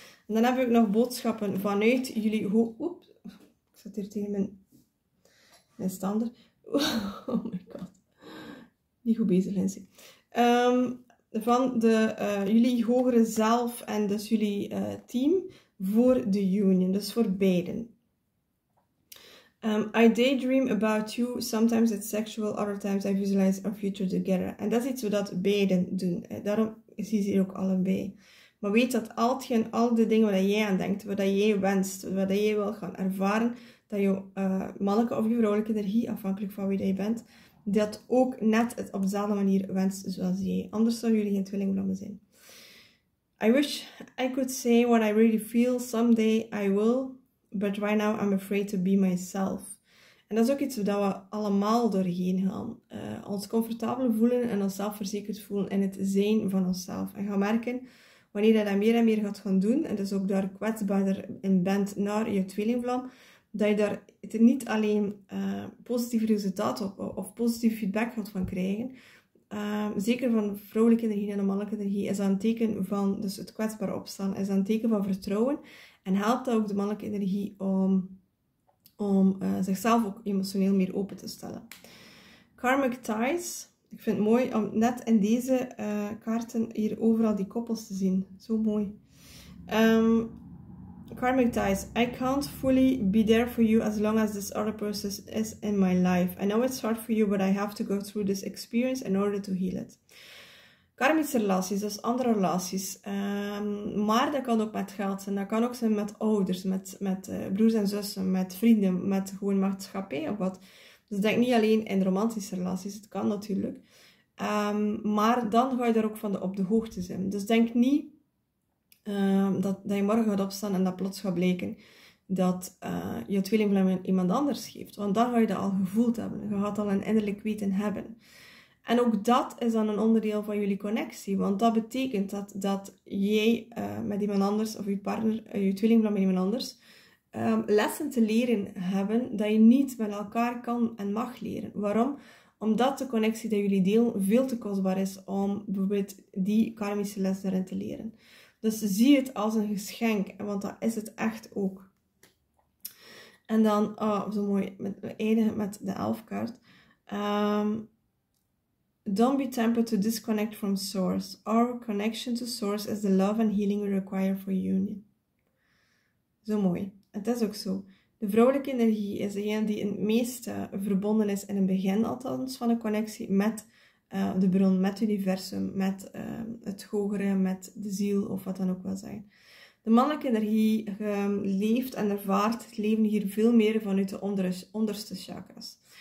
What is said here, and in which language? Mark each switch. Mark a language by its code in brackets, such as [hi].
[nl] En dan heb ik nog boodschappen vanuit jullie hoofd. Oeps, ik zat hier tegen mijn standaard. [en] Oh my god. [nl] Niet goed bezig, Lindsay. Van jullie hogere zelf en dus jullie team voor de union, dus voor beiden. [en] I daydream about you. Sometimes it's sexual, other times I visualize our future together. [nl] En dat is iets wat beiden doen. Daarom zie je ze hier ook allebei. Maar weet dat al de dingen waar jij aan denkt, wat jij wenst, wat jij wil gaan ervaren, dat je mannelijke of je vrouwelijke energie, afhankelijk van wie jij bent, dat ook net het op dezelfde manier wenst zoals jij. Anders zouden jullie geen tweelingvlammen zijn. [en] I wish I could say what I really feel. Someday I will. But right now I'm afraid to be myself. [nl] En dat is ook iets waar we allemaal doorheen gaan. Ons comfortabel voelen en ons zelfverzekerd voelen in het zijn van onszelf. En gaan merken, wanneer je dat meer en meer gaat gaan doen, en dus ook daar kwetsbaarder in bent naar je tweelingvlam, dat je daar niet alleen positieve resultaten of positieve feedback gaat van krijgen. Zeker van vrouwelijke energie en mannelijke energie is dat een teken van dus het kwetsbaar opstaan, is dat een teken van vertrouwen. En helpt dat ook de mannelijke energie om zichzelf ook emotioneel meer open te stellen. [en] Karmic ties. [nl] Ik vind het mooi om net in deze kaarten hier overal die koppels te zien. Zo mooi. [en] Karmic ties. I can't fully be there for you as long as this other person is in my life. I know it's hard for you, but I have to go through this experience in order to heal it. [nl] Karmische relaties, dus andere relaties. Maar dat kan ook met geld zijn. Dat kan ook zijn met ouders, met broers en zussen, met vrienden, met gewoon maatschappij of wat. Dus denk niet alleen in romantische relaties. Het kan natuurlijk. Maar dan ga je daar ook van op de hoogte zijn. Dus denk niet. Dat je morgen gaat opstaan en dat plots gaat blijken dat je tweelingvlam iemand anders geeft. Want dan ga je dat al gevoeld hebben. Je gaat al een innerlijk weten hebben. En ook dat is dan een onderdeel van jullie connectie. Want dat betekent dat jij met iemand anders of je partner, je tweelingvlam met iemand anders, lessen te leren hebben dat je niet met elkaar kan en mag leren. Waarom? Omdat de connectie die jullie delen veel te kostbaar is om bijvoorbeeld die karmische les daarin te leren. Dus zie het als een geschenk, want dat is het echt ook. En dan, oh, zo mooi, we eindigen met de 11-kaart. [en] Don't be tempted to disconnect from source. Our connection to source is the love and healing we require for union. [nl] Zo mooi. Het is ook zo. De vrouwelijke energie is degene die het meeste verbonden is, in het begin althans, van een connectie met de bron, met het universum, met het hogere, met de ziel of wat dan ook wel zijn. De mannelijke energie leeft en ervaart het leven hier veel meer vanuit de onderste chakras.